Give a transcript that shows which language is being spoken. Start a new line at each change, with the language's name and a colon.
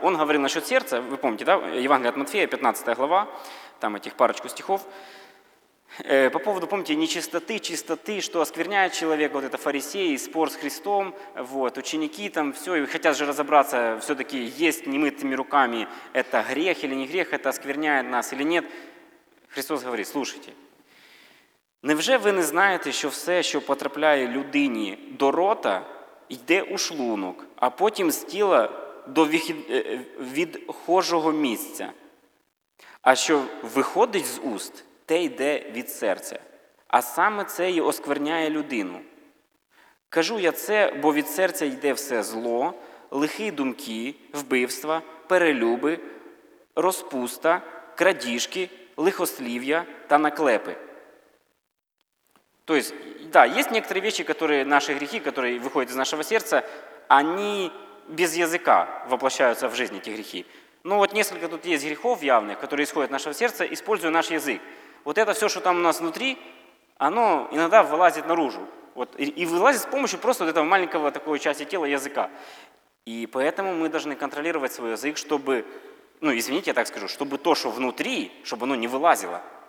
Russian: Он говорил насчет сердца, вы помните, да? Евангелие от Матфея, 15 глава, там этих парочку стихов. По поводу, помните, нечистоты, чистоты, что оскверняет человека, вот это фарисеи, спор с Христом, вот, ученики там, все, и хотят же разобраться, все-таки есть немытыми руками, это грех или не грех, это оскверняет нас или нет. Христос говорит, слушайте, невже вы не знаете, что все, что
Ukrainian: потрапляет людині до рота, йде у шлунок, а потім з тіла до відхожого місця, а що виходить з уст, те йде від серця, а саме це і оскверняє людину. Кажу я це, бо від серця йде все зло, лихі думки, вбивства, перелюби, розпуста, крадіжки, лихослів'я та наклепи. Тобто, да, є некоторі речі, наші гріхи, які виходять з нашого серця, вони без язика воплощаються в житті, ті гріхи. Ну, от кілька тут є гріхів явних, які виходять з нашого серця, використовує наш язик.
Russian: Вот это все, что там у нас внутри, оно иногда вылазит наружу. Вот, и вылазит с помощью просто вот этого маленького такого части тела, языка. И поэтому мы должны контролировать свой язык, чтобы, ну извините, я так скажу, чтобы то, что внутри, чтобы оно не вылазило.